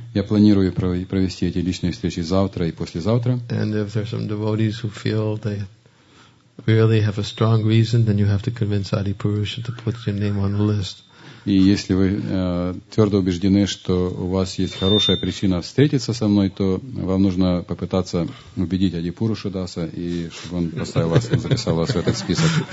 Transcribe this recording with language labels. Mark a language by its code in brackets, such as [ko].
[ru] Я планирую провести эти личные встречи завтра и послезавтра. [en] And if there's some devotees who feel they really have a strong reason, then you have to convince Adi Purusha to put your name on the list. [ru] И если вы твердо убеждены, что у вас есть хорошая причина встретиться со мной, то вам нужно попытаться убедить Ади Пурушу Даса, и чтобы он поставил вас, записал вас в этот список.